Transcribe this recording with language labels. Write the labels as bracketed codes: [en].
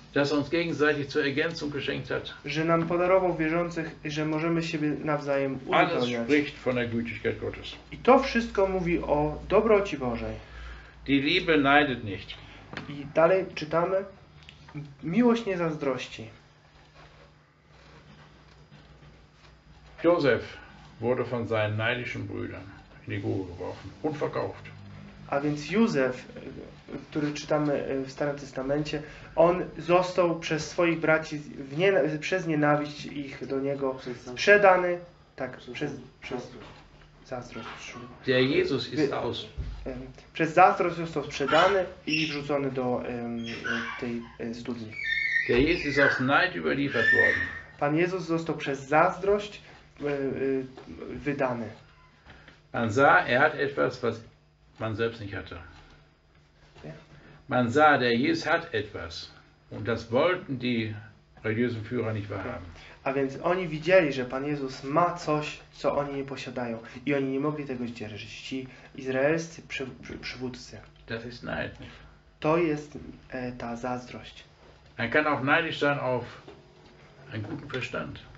[de] Dass uns gegenseitig zur Ergänzung geschenkt hat. [pl] Że nam podarował wierzących, że możemy siebie nawzajem uzupełniać. [de] Alles spricht von der Gütigkeit Gottes. [pl] I to wszystko mówi o dobroci Bożej. [de] Die Liebe neidet nicht. [pl] I dalej czytamy. Miłość nie zazdrości. [de] Joseph wurde von seinen neidischen Brüdern in die Grube geworfen und verkauft. [pl] A więc Józef, który czytamy w Starym Testamencie, on został przez swoich braci przez nienawiść ich do niego sprzedany, tak, przez zazdrość. [de] Der Jesus ist aus. [pl] Przez zazdrość został sprzedany i wrzucony do tej studni. [de] Der Jesus ist aus Neid überliefert worden. [pl] Pan Jezus został przez zazdrość wydany. [de] Man sah, er hat etwas, was man selbst nicht hatte. Man sah, der Jesus hat etwas. Und das wollten die religiösen Führer nicht wahrhaben. [pl] A więc oni widzieli, że Pan Jezus ma coś, co oni nie posiadają. I oni nie mogli tego zdzierżyć. Ci izraelscy przywódcy. [de] Das ist neid. [pl] To jest ta zazdrość. [de] Man kann auch neidisch sein auf einen guten Verstand.